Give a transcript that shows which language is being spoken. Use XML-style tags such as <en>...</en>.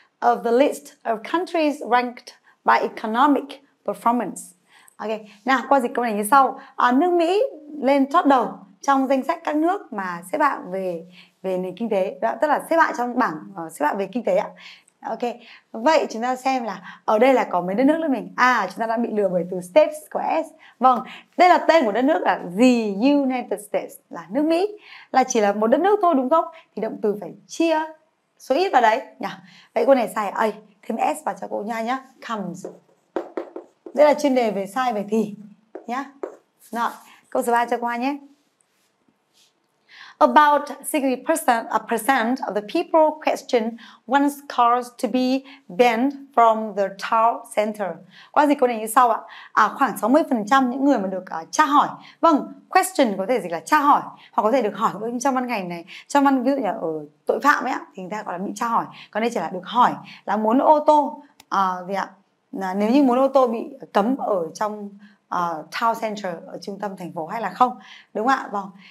<en>of the list of countries ranked by economic performance.</en> <vi>Ok, nào qua dịch câu này như sau. Nước Mỹ lên top đầu trong danh sách các nước mà xếp hạng về nền kinh tế. Đó, tức là xếp hạng trong bảng xếp hạng về kinh tế ạ. Ok, vậy chúng ta xem là ở đây là có mấy đất nước nữa mình. À, chúng ta đã bị lừa bởi từ States của S. Vâng, đây là tên của đất nước là The United States, là nước Mỹ. Là chỉ là một đất nước thôi đúng không? Thì động từ phải chia số ít vào đấy nhỉ? Vậy cô này xài A, thêm S vào cho cô nha nhá. Comes. Đây là chuyên đề về sai về thì nhá. Rồi, câu số 3 cho cô nhé.</vi> <en>About 60% of the people question wants cars to be banned from the town center.</en> <vi>Qua dịch câu này như sau ạ. Khoảng 60% những người mà được tra hỏi. Vâng, question có thể dịch là tra hỏi, hoặc có thể được hỏi trong văn ngành này, trong văn ví dụ như ở tội phạm ấy ạ, thì người ta gọi là bị tra hỏi. Còn đây chỉ là được hỏi là muốn ô tô gì ạ? Nếu như muốn ô tô bị cấm ở trong town center, ở trung tâm thành phố hay là không. Đúng ạ? Vâng.</vi>